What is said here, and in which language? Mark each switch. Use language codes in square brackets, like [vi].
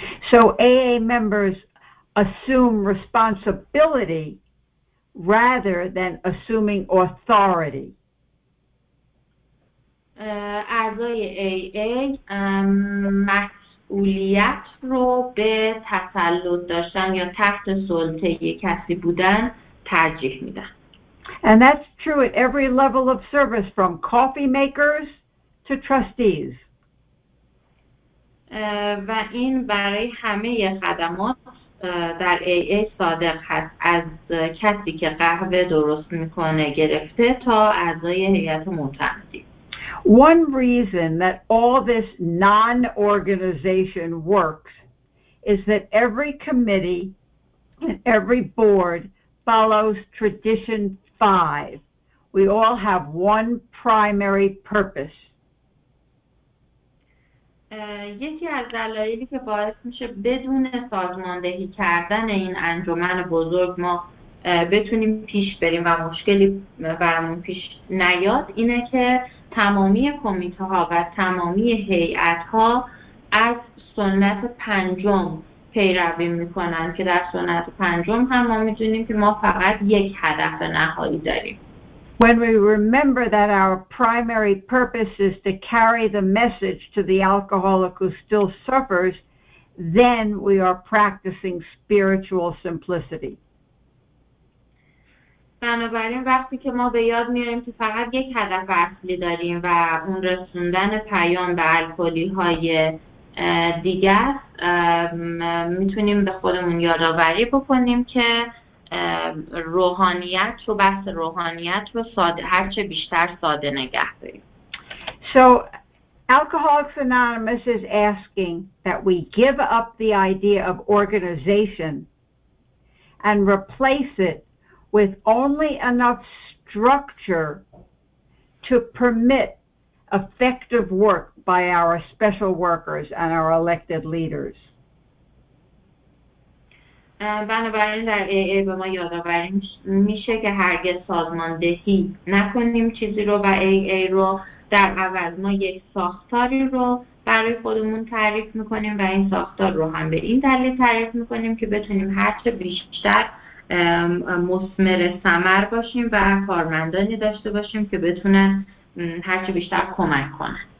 [en] So AA members assume responsibility rather than assuming authority. [fa] اعضای AA مسئولیت رو به تسلط داشتن یا تحت سلطه کسی بودن ترجیح میدن. [en] And that's true at every level of service from coffee makers to trustees. [fa] و این برای همه خدمات در AA صادق هست از کسی که قهوه درست میکنه گرفته تا اعضای هیئت معتمدی. [en] One reason that all this non-organization works is that every committee and every board follows tradition 5. We all have one primary purpose. [fa] یکی از دلایلی که باعث میشه بدون سازماندهی کردن این انجمن بزرگ ما بتونیم پیش بریم و مشکلی برامون پیش نیاد اینه که تمامی کمیته ها و تمامی هیئت ها از سنت پنجم پیروی میکنن که در سنت پنجم هم ما میدونیم که ما فقط یک هدف نهایی داریم. [en] When we remember that our primary purpose is to carry the message to the alcoholic who still suffers, then we are practicing spiritual simplicity. [fa] بنابراین وقتی که ما به یاد میاریم که فقط یک هدف اصلی داریم و اون رسوندن پیام به الکلی های دیگر میتونیم به خودمون یادآوری بکنیم که روحانیت رو بحث روحانیت رو هرچه بیشتر ساده نگه داریم. [en] So Alcoholics Anonymous is asking that we give up the idea of organization and replace it with only enough structure to permit effective work by our special workers and our elected leaders. [fa] بنابراین در AA به ما یادآوری میشه که هرگز سازماندهی نکنیم چیزی رو و AA رو در عوض ما یک ساختاری رو برای خودمون تعریف میکنیم و این ساختار رو هم به این دلیل تعریف میکنیم که بتونیم هرچه بیشتر مثمر ثمر باشیم و کارمندانی داشته باشیم که بتونن هرچه بیشتر کمک کنن.